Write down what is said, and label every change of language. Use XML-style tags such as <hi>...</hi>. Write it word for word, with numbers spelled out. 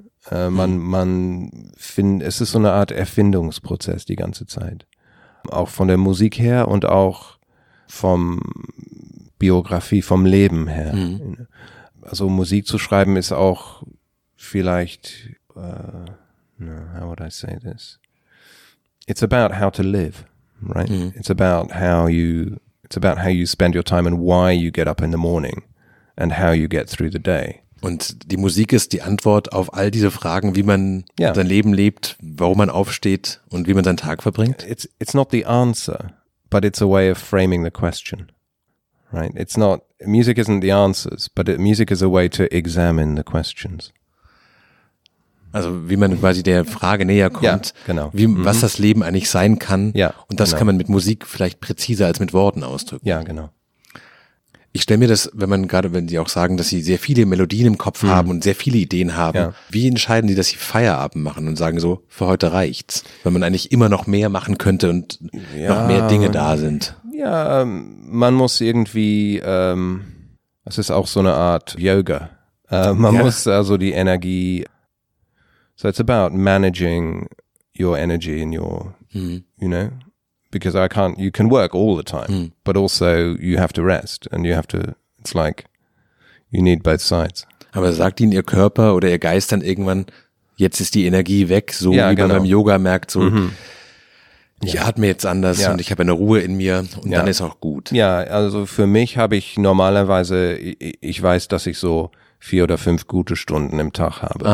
<de>Äh, man, man find, es ist so eine Art Erfindungsprozess die ganze Zeit. Auch von der Musik her und auch vom Biografie, vom Leben her. Mhm. Also Musik zu schreiben ist auch vielleicht, uh,</de> <en>no, how would I say this? It's about how to live, right? Mhm. It's about how you, it's about how you spend your time and why you get up in the morning and how you get through the day.</en> <de>Und die Musik ist die Antwort auf all diese Fragen, wie man ja. sein Leben lebt, warum man aufsteht und wie man seinen Tag verbringt.</de> <en>It's, it's not the answer, but it's a way of framing the question. Right? It's not, music isn't the answers, but it, music is a way to examine the questions.</en> <de>Also wie man quasi der Frage näher kommt, ja, genau. wie, mhm. was das Leben eigentlich sein kann. Ja, und das genau. kann man mit Musik vielleicht präziser als mit Worten ausdrücken. Ja, genau. Ich stelle mir das, wenn man gerade, wenn Sie auch sagen, dass Sie sehr viele Melodien im Kopf mhm. haben und sehr viele Ideen haben, ja. wie entscheiden Sie, dass Sie Feierabend machen und sagen so, für heute reicht's, weil man eigentlich immer noch mehr machen könnte und ja, noch mehr Dinge da sind? Ja, man muss irgendwie, ähm, es ist auch so eine Art Yoga. Äh, man ja. muss also die Energie,</de> <en>so it's about managing your energy in your, mhm. you know, because I can't, you can work all the time, mm. but also you have to rest and you have to, it's like, you need both sides.</en> <de>Aber sagt Ihnen Ihr Körper oder Ihr Geist dann irgendwann, jetzt ist die Energie weg, so ja, wie genau. man beim Yoga merkt, so, mhm. ich ja. atme jetzt anders ja. und ich habe eine Ruhe in mir und ja. dann ist auch gut. Ja, also für mich habe ich normalerweise, ich, ich weiß, dass ich so vier oder fünf gute Stunden im Tag habe.</de>